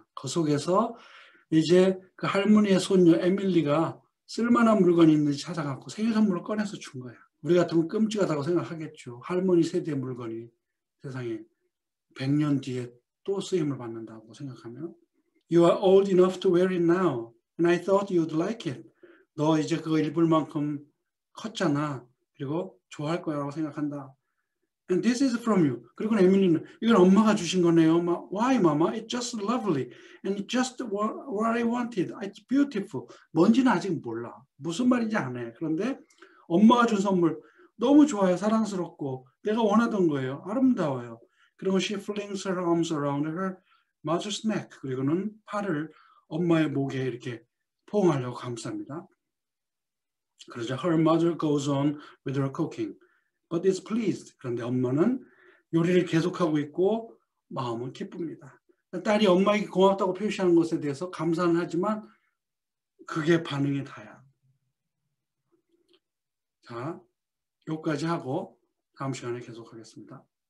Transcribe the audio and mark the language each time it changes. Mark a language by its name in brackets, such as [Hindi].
[Korean] 그 속에서 이제 그 할머니의 손녀 에밀리가 쓸만한 물건이 있는지 찾아갖고 생일선물을 꺼내서 준 거야. 우리 같으면 끔찍하다고 생각하겠죠. 할머니 세대 물건이 세상에 100년 뒤에 또 쓰임을 받는다고 생각하면. [English] You are old enough to wear it now, and I thought you'd like it. [Korean] 너 이제 그거 입을 만큼 컸잖아. 그리고 좋아할 거야라고 생각한다. [English] And this is from you. [Korean] 그리고 에밀리는 이건 엄마가 주신 거네요. [English] Why, mama? It's just lovely. And just what I wanted. It's beautiful. [Korean] 뭔지는 아직 몰라. 무슨 말인지 안 해. 그런데 엄마가 준 선물 너무 좋아요. 사랑스럽고 내가 원하던 거예요. 아름다워요. 그리고 [English] she flings her arms around her mother's neck. [Korean] 그리고는 팔을 엄마의 목에 이렇게 포옹하려고 감쌉니다. 그러자 [English] her mother goes on with her cooking. But is pleased. [Korean] 그런데 엄마는 요리를 계속하고 있고 마음은 기쁩니다. 딸이 엄마에게 고맙다고 표시하는 것에 대해서 감사는 하지만 그게 반응의 다야. 자, 여기까지 하고 다음 시간에 계속하겠습니다.